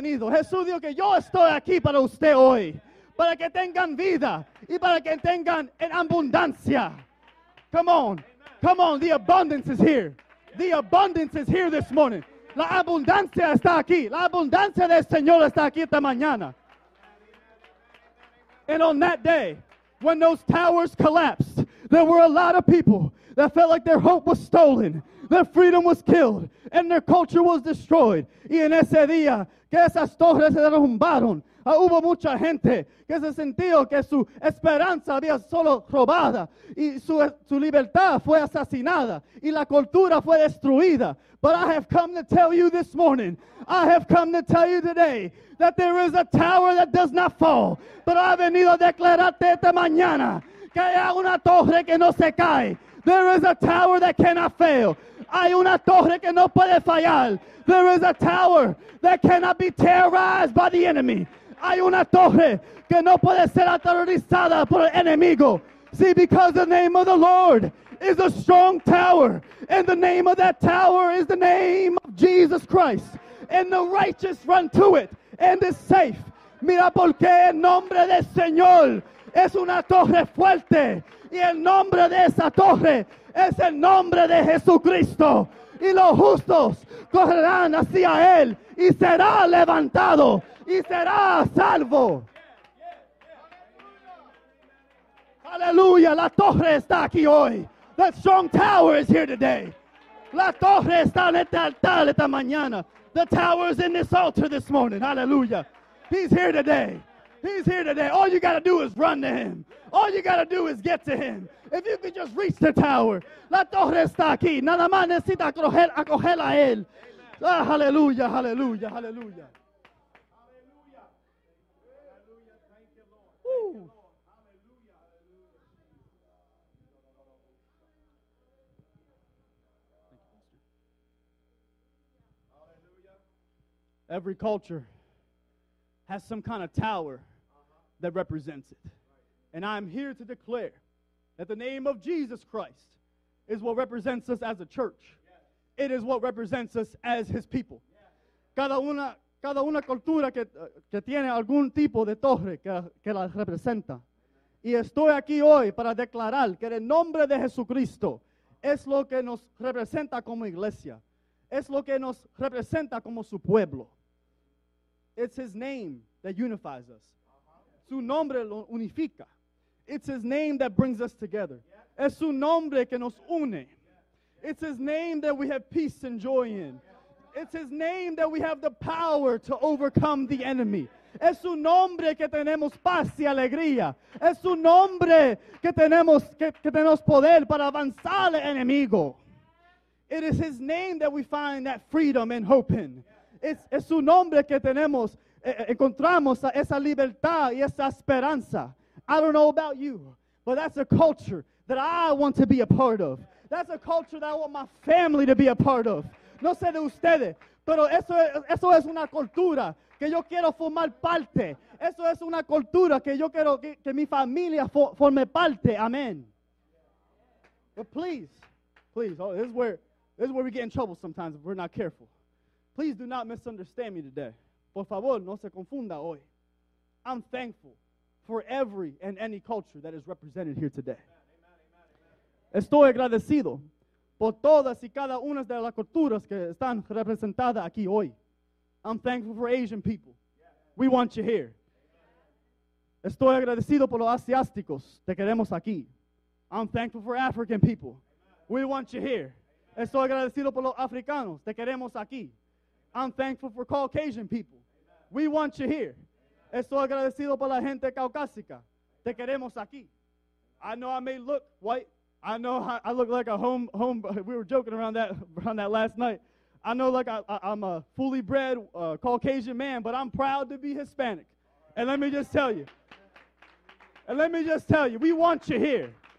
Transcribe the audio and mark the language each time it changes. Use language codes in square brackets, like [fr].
[es] Jesús dijo que yo estoy aquí para usted hoy, para que tengan vida y para que tengan en abundancia. [en] Come on. Come on, the abundance is here. The abundance is here this morning. [es] La abundancia está aquí. La abundancia del Señor está aquí esta mañana. [en] And on that day, when those towers collapsed, there were a lot of people that felt like their hope was stolen, their freedom was killed, and their culture was destroyed. [es] Y en ese día, que esas torres se derrumbaron, hubo mucha gente que se sintió que su esperanza había solo robada y su libertad fue asesinada y la cultura fue destruida. [en] But I have come to tell you this morning, I have come to tell you today that there is a tower that does not fall. [es] Pero ha venido a declararte esta mañana Que hay una torre que no se cae. [en] There is a tower that cannot fail. [es] Hay una torre que no puede fallar. [en] There is a tower that cannot be terrorized by the enemy. [es] Hay una torre que no puede ser aterrorizada por el enemigo. [en] See, because the name of the Lord is a strong tower, and the name of that tower is the name of Jesus Christ. And the righteous run to it and is safe. [es] Mira porque el nombre del Señor es una torre fuerte. Y el nombre de esa torre es el nombre de Jesucristo. Y los justos correrán hacia él y será levantado y será salvo. Aleluya, la torre está aquí hoy. [en] That strong tower is here today. [es] La torre está en este altar esta mañana. [en] The tower is in this altar this morning. Hallelujah. He's here today. He's here today. All you got to do is run to him. All you got to do is get to him. If you could just reach the tower. [es] La torre está aquí. Nada más necesita acoger a él. [en] Ah, hallelujah, hallelujah, hallelujah. Hallelujah. Thank you, Lord. Every culture has some kind of tower that represents it. And I'm here to declare that the name of Jesus Christ is what represents us as a church. It is what represents us as his people. [es] Cada una cultura que tiene algún tipo de torre que la representa. Y estoy aquí hoy para declarar que el nombre de Jesucristo es lo que nos representa como iglesia. Es lo que nos representa como su pueblo. [en] It's his name that unifies us. [es] Su nombre lo unifica. [en] It's his name that brings us together. [es] Es su nombre que nos une. [en] It's his name that we have peace and joy in. It's his name that we have the power to overcome the enemy. [es] Es su nombre que tenemos paz y alegría. Es su nombre que tenemos poder para avanzar el enemigo. [en] It is his name that we find that freedom and hope in. [es] Es su nombre que tenemos, encontramos esa libertad y esa esperanza. [en] I don't know about you, but that's a culture that I want to be a part of. That's a culture that I want my family to be a part of. [es] No sé de ustedes, pero eso es una cultura que yo quiero formar parte. Eso es una cultura que yo quiero que mi familia forme parte. [en] Amen. But please, oh, this is where we get in trouble sometimes if we're not careful. Please do not misunderstand me today. [es] Por favor, no se confunda hoy. [en] I'm thankful for every and any culture that is represented here today. [es] Estoy agradecido por todas y cada una de las culturas que están representadas aquí hoy. [en] I'm thankful for Asian people. We want you here. [es] Estoy agradecido por los asiáticos. Te queremos aquí. [en] I'm thankful for African people. We want you here. [es] Estoy agradecido por los africanos. Te queremos aquí. [en] I'm thankful for Caucasian people. Amen. We want you here. Amen. [es] Estoy agradecido por la gente caucásica. Te queremos aquí. [en] I know I may look white. I know I look like a home. We were joking around that last night. I know like I'm a fully bred Caucasian man, but I'm proud to be Hispanic. And let me just tell you. And let me just tell you, we want you here.